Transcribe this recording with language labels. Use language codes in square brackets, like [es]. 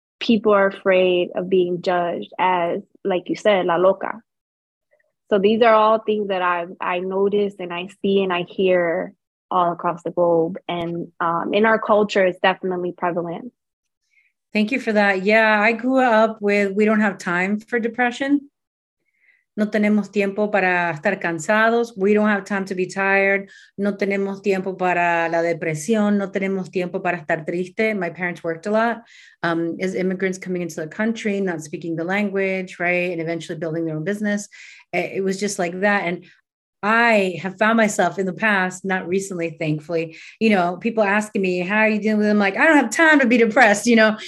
[en] People are afraid of being judged as, like you said, [es] la loca. [en] So these are all things that I notice and I see and I hear all across the globe. And in our culture, it's definitely prevalent. Thank you for that. Yeah, I grew up with, we don't have time for depression. [es] No tenemos tiempo para estar cansados. [en] We don't have time to be tired. [es] No tenemos tiempo para la depresión. No tenemos tiempo para estar triste. [en] My parents worked a lot as immigrants coming into the country, not speaking the language, right? And eventually building their own business. It was just like that. And I have found myself in the past, not recently, thankfully, you know, people asking me, how are you dealing with them? Like, I don't have time to be depressed, you know?